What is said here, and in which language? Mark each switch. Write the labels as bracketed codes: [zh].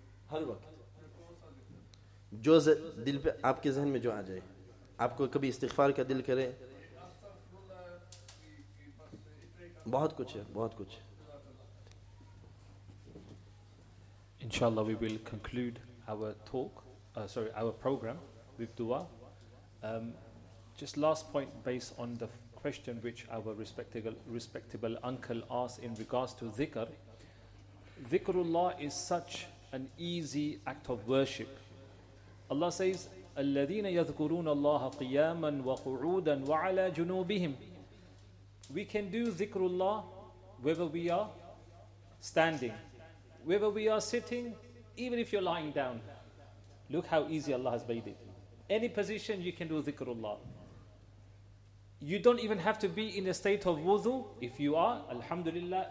[ur] ہر وقت جو دل پہ آپ کے ذہن میں جو آ جائے, آپ کو کبھی استغفار کا دل کرے, بہت کچھ ہے, بہت کچھ. [en] Inshallah, we will conclude our talk, our program with dua. Just last point based on the question which our respectable uncle asked in regards to dhikr. Dhikrullah is such an easy act of worship. Allah says, [ar] الَّذِينَ يَذْكُرُونَ اللَّهَ قِيَامًا وَقُعُودًا وَعَلَىٰ جُنُوبِهِمْ. [en] We can do dhikrullah whether we are standing, whether we are sitting, even if you're lying down. Look how easy Allah has made it. Any position you can do dhikrullah. You don't even have to be in a state of wudu. If you are, alhamdulillah.